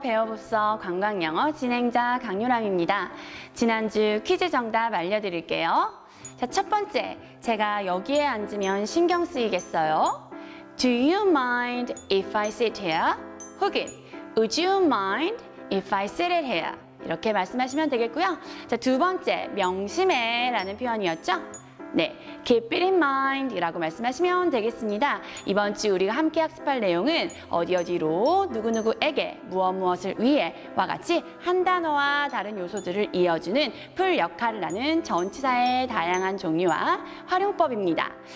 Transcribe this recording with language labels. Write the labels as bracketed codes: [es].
[ko] 배워봅서 관광영어 진행자 강유람입니다. 지난주 퀴즈 정답 알려드릴게요. 자, 첫 번째, 제가 여기에 앉으면 신경 쓰이겠어요? [en] Do you mind if I sit here? 혹은 Would you mind if I sit it here? [ko] 이렇게 말씀하시면 되겠고요. 자, 두 번째, 명심해 라는 표현이었죠? 네, [en] keep it in mind [ko] 이라고 말씀하시면 되겠습니다. 이번 주 우리가 함께 학습할 내용은 어디 어디로, 누구누구에게, 무엇무엇을 위해와 같이 한 단어와 다른 요소들을 이어주는 풀 역할을 하는 전치사의 다양한 종류와 활용법입니다.